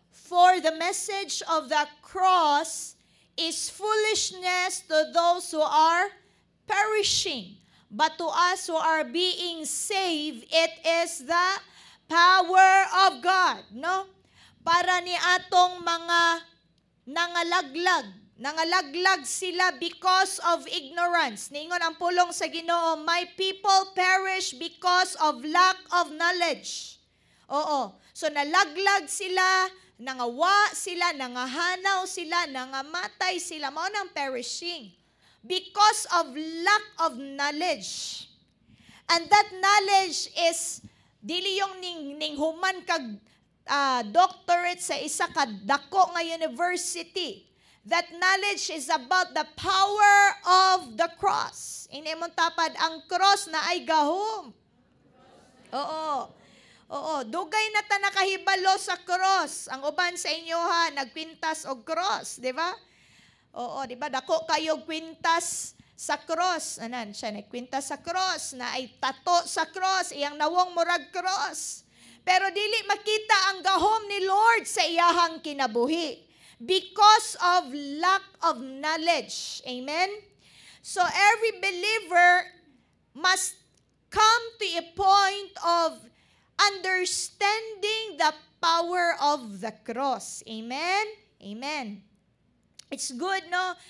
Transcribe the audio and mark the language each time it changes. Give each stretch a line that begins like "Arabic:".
English: For the message of the cross is foolishness to those who are perishing. But to us who are being saved, it is the power of God. No?
Cebuano: Para ni atong mga nangalaglag. Nangalaglag sila
English: because of ignorance.
Cebuano: Ningon ang pulong sa Ginoo,
English: my people perish because of lack of knowledge. Oo.
Cebuano: So nalaglag sila. Nangawa sila, nangahanaw sila, nangamatay sila. Mao nang perishing.
English: Because of lack of knowledge. And that knowledge is,
Cebuano: dili yung ninghuman kag doctorate sa isa ka dako nga university.
English: That knowledge is about the power of the cross.
Cebuano: Inimong tapad, ang cross na ay gahom. Oo. Oo, dugay na ta nakahibalo sa cross. Ang uban sa inyo ha, nagpintas og cross, di ba? Oo, di ba? Dako kayo kwintas sa cross. Anan, siya nagkwintas sa cross, na ay tato sa cross, iyang nawong murag cross. Pero dili makita ang gahom ni Lord sa iyahang kinabuhi.
English: Because of lack of knowledge. Amen? So every believer must come to a point of understanding the power of the cross. Amen? Amen. It's good, no?